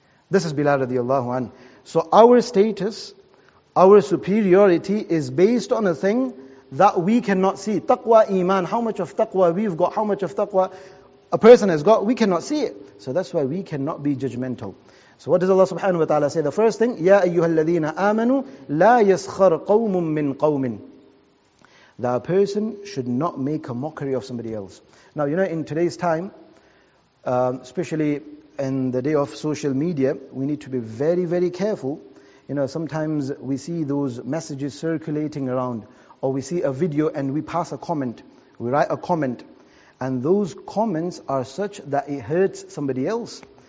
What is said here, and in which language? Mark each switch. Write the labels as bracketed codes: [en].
[en] This is Bilal radiallahu anhu. So our status, our superiority is based on a thing that we cannot see. Taqwa, iman, how much of taqwa we've got, how much of taqwa a person has got, we cannot see it. So that's why we cannot be judgmental. So what does Allah subhanahu wa ta'ala say? The first thing, [ar] يَا أَيُّهَا الَّذِينَ آمَنُوا لَا يَسْخَرْ قَوْمٌ مِّن قَوْمٍ. [en] That a person should not make a mockery of somebody else. Now, you know, in today's time, especially in the day of social media, we need to be very, very careful. You know, sometimes we see those messages circulating around, or we see a video and we pass a comment, we write a comment, and those comments are such that it hurts somebody else.